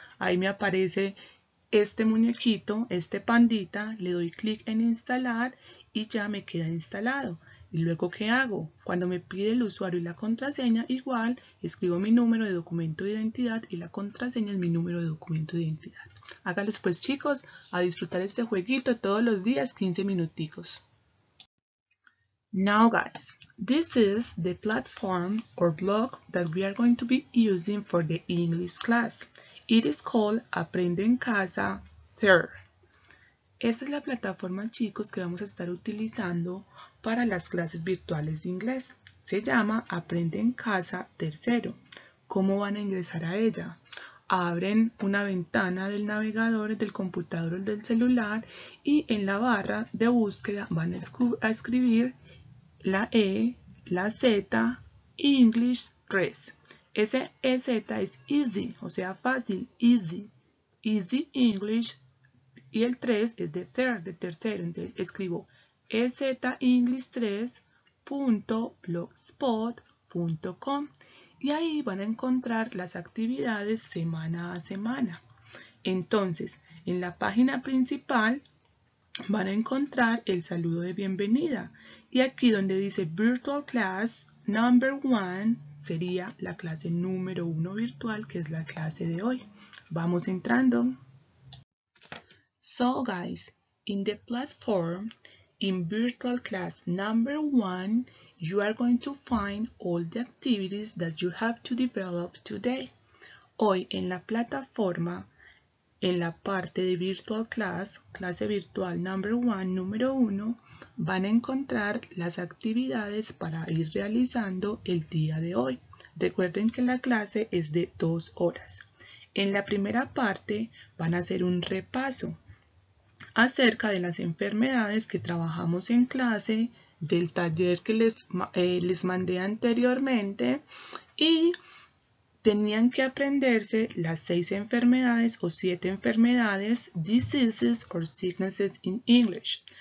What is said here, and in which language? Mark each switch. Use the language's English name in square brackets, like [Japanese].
[Spanish] Ahí me aparece este muñequito, este pandita, le doy clic en instalar y ya me queda instalado. ¿Y luego qué hago? Cuando me pide el usuario y la contraseña, igual, escribo mi número de documento de identidad y la contraseña es mi número de documento de identidad. Háganles pues, chicos, a disfrutar este jueguito todos los días, 15 minuticos. [English] Now guys, this is the platform or blog that we are going to be using for the English class. It is called Aprende en Casa Third. [Spanish] Esta es la plataforma, chicos, que vamos a estar utilizando para las clases virtuales de inglés. Se llama Aprende en Casa Tercero. ¿Cómo van a ingresar a ella? Abren una ventana del navegador, del computador o del celular y en la barra de búsqueda van a escribir la E, la Z, English 3. Ese EZ es easy, o sea, fácil, easy, easy English, y el 3 es de third, de tercero. Entonces escribo ezenglish3.blogspot.com y ahí van a encontrar las actividades semana a semana. Entonces, en la página principal van a encontrar el saludo de bienvenida. Y aquí donde dice Virtual Class Number 1 sería la clase número 1 virtual, que es la clase de hoy. Vamos entrando. [English] So guys, in the platform, in Virtual Class Number 1, you are going to find all the activities that you have to develop today. [Spanish] Hoy en la plataforma, en la parte de Virtual Class, clase virtual Number 1, número 1, van a encontrar las actividades para ir realizando el día de hoy. Recuerden que la clase es de 2 horas. En la primera parte van a hacer un repaso acerca de las enfermedades que trabajamos en clase, del taller que les mandé anteriormente, y tenían que aprenderse las 6 enfermedades o 7 enfermedades, [English] diseases or sicknesses in English.